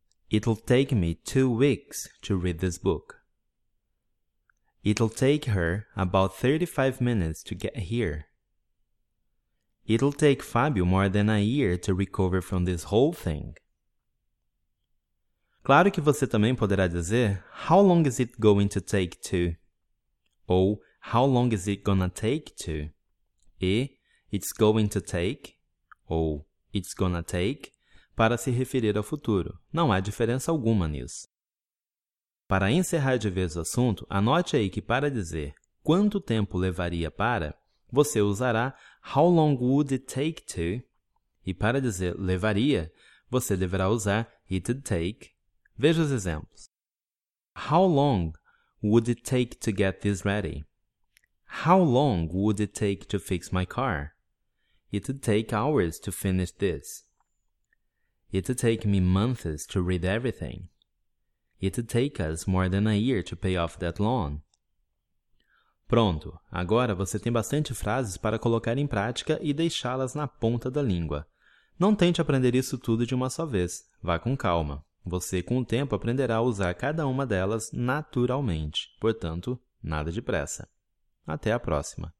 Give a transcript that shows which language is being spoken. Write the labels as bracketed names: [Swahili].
[English] It'll take me 2 weeks to read this book. It'll take her about 35 minutes to get here. It'll take Fábio more than a year to recover from this whole thing. [Portuguese] Claro que você também poderá dizer [English] how long is it going to take to? [Portuguese] Ou [English] how long is it gonna take to? [Portuguese] E [English] it's going to take [Portuguese] ou [English] it's gonna take [Portuguese] para se referir ao futuro. Não há diferença alguma nisso. Para encerrar de vez o assunto, anote aí que para dizer quanto tempo levaria para, você usará [English] how long would it take to? [Portuguese] E para dizer levaria, você deverá usar [English] it'd take. [Portuguese] Veja os exemplos. [English] How long would it take to get this ready? How long would it take to fix my car? It'd take hours to finish this. It'd take me months to read everything. It'd take us more than a year to pay off that loan. [Portuguese] Pronto, agora você tem bastante frases para colocar em prática e deixá-las na ponta da língua. Não tente aprender isso tudo de uma só vez. Vá com calma. Você, com o tempo, aprenderá a usar cada uma delas naturalmente. Portanto, nada de pressa. Até a próxima!